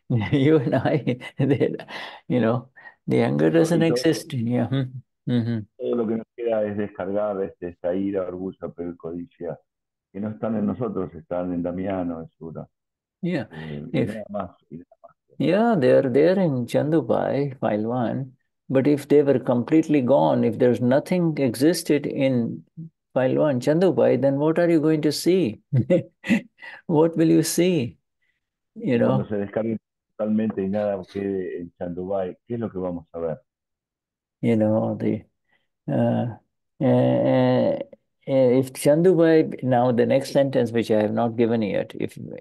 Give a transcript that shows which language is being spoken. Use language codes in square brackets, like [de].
[en] You and I, you know, the anger doesn't exist in you. Mm-hmm. [es] Todo lo que nos queda es descargar esta ira, orgullo, pero codicia, que no están en nosotros, están en Damiano, en Sura. Yeah. Y nada más. [en] Yeah, they're there in Chandubai, file one. But if they were completely gone, if there's nothing existed in file one, Chandubai, then what are you going to see? What will you see? You know. [es] Cuando se descargue totalmente y nada quede en Chandubai, ¿qué es lo que vamos a ver? [en] You know, if Chandubai, now the next sentence which I have not given yet, if